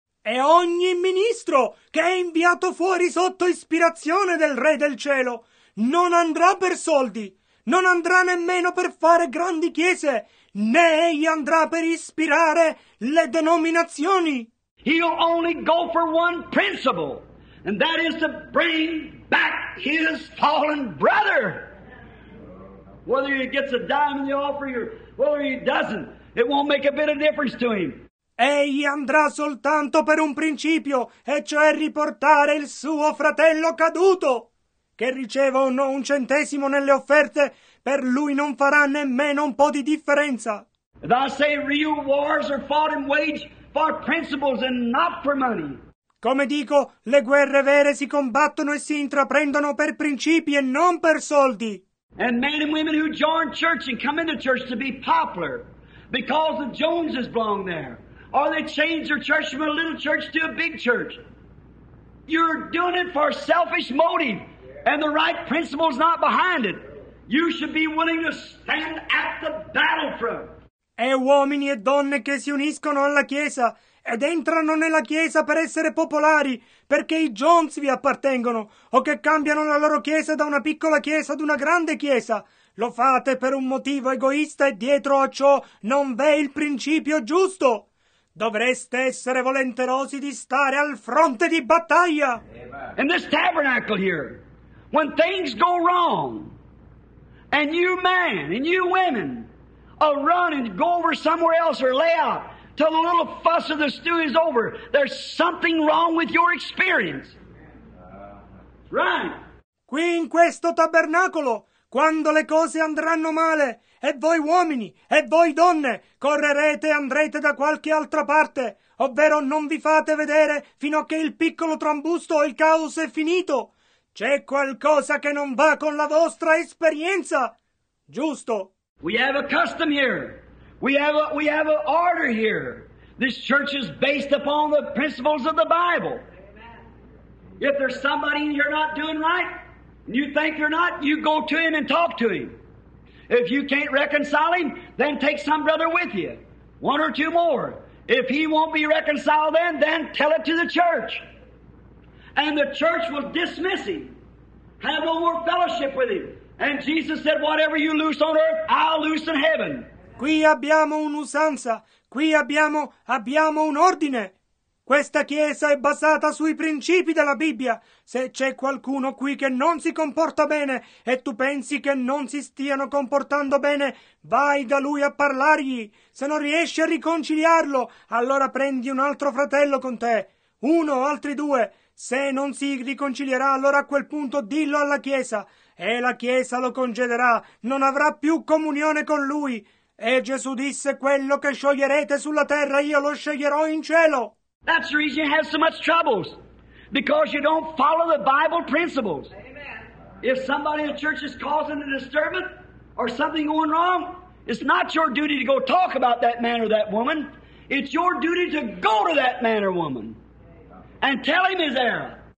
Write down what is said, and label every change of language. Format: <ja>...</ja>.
<it>E ogni ministro che è inviato fuori sotto ispirazione del Re del Cielo non andrà per soldi, non andrà nemmeno per fare grandi chiese, né egli andrà per ispirare le denominazioni.</it> <en>He'll only go for one principle, and that is to bring back his fallen brother. Whether he gets a dime in the offering or whether he doesn't, it won't make a bit of difference to him.</en> <it>Egli andrà soltanto per un principio, e cioè riportare il suo fratello caduto. Che riceva o no un centesimo nelle offerte, per lui non farà nemmeno un po' di differenza.</it> <en>And I say real wars are fought and waged for principles and not for money.</en> <it>Come dico, le guerre vere si combattono e si intraprendono per principi e non per soldi.</it> <en>And men and women who join church and come into church to be popular because the Joneses belong there. Or they change their church from a little church to a big church. You're doing it for a selfish motive, and the right principle's not behind it. You should be willing to stand at the battlefront.</en> <it>E uomini e donne che si uniscono alla Chiesa ed entrano nella Chiesa per essere popolari, perché i Jones vi appartengono, o che cambiano la loro Chiesa da una piccola Chiesa ad una grande Chiesa. Lo fate per un motivo egoista e dietro a ciò non v'è il principio giusto. Dovreste essere volenterosi di stare al fronte di battaglia.</it> <en>In this tabernacle here, when things go wrong, and you men and you women will run and go over somewhere else or lay out till the little fuss of the stew is over, there's something wrong with your experience. Right.</en> <it>Qui in questo tabernacolo, quando le cose andranno male, e voi uomini, e voi donne, correrete e andrete da qualche altra parte, ovvero non vi fate vedere fino a che il piccolo trambusto o il caos è finito. C'è qualcosa che non va con la vostra esperienza. Giusto.</it> <en>We have a custom here. We have an order here. This church is based upon the principles of the Bible. Amen. If there's somebody you're not doing right, and you think you're not, you go to him and talk to him. If you can't reconcile him, then take some brother with you. One or two more. If he won't be reconciled then tell it to the church. And the church will dismiss him. Have no more fellowship with him. And Jesus said, whatever you loose on earth, I'll loose in heaven.</en> <it>Qui abbiamo un'usanza. Qui abbiamo un ordine. Questa chiesa è basata sui principi della Bibbia. Se c'è qualcuno qui che non si comporta bene e tu pensi che non si stiano comportando bene, vai da lui a parlargli. Se non riesci a riconciliarlo, allora prendi un altro fratello con te. Uno o altri due. Se non si riconcilierà, allora a quel punto dillo alla chiesa. E la chiesa lo congederà. Non avrà più comunione con lui. E Gesù disse, quello che scioglierete sulla terra, io lo scioglierò in cielo.</it> <en>That's the reason you have so much troubles, because you don't follow the Bible principles. Amen. If somebody in the church is causing a disturbance or something going wrong, it's not your duty to go talk about that man or that woman. It's your duty to go to that man or woman and tell him his error.</en>